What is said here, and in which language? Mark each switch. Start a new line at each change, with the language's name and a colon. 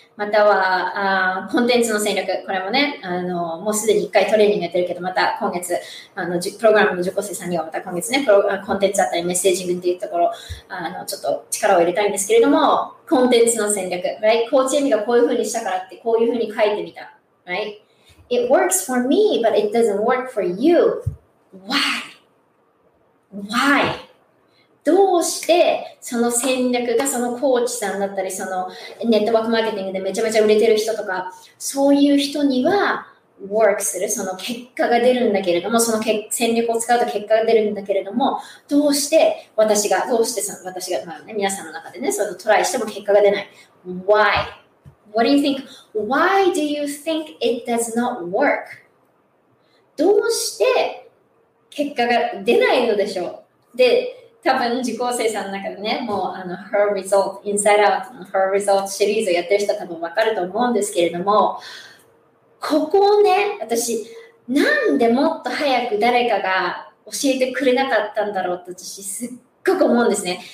Japanese: または、コンテンツの戦略。これもね、もうすでに一回トレーニングやってるけど、また今月、プログラムの受講生さんにはまた今月ね、コンテンツだったり、メッセージングっていうところ、ちょっと力を入れたいんですけれども、コンテンツの戦略。
English: Right?
Japanese: コーチエミがこういうふうにしたからって、こういうふうに書いてみた。
English: Right? It works for me, but it doesn't work for you. Why?
Japanese: どうしてその戦略がそのコーチさんだったり、そのネットワークマーケティングでめちゃめちゃ売れてる人とか、そういう人には work する、その結果が出るんだけれども、その戦略を使うと結果が出るんだけれども、どうして私が、まあね、皆さんの中でね、そのトライしても結果が出ない。
English: Why? What do you think? Why do you think it does not work?
Japanese: どうして結果が出ないのでしょう。で、多分受講生さんの中でね、もうHer Result Inside Out の Her Result シリーズをやってる人は多分わかると思うんですけれども、ここをね、私なんでもっと早く誰かが教えてくれなかったんだろうと私すっごく思うんですね。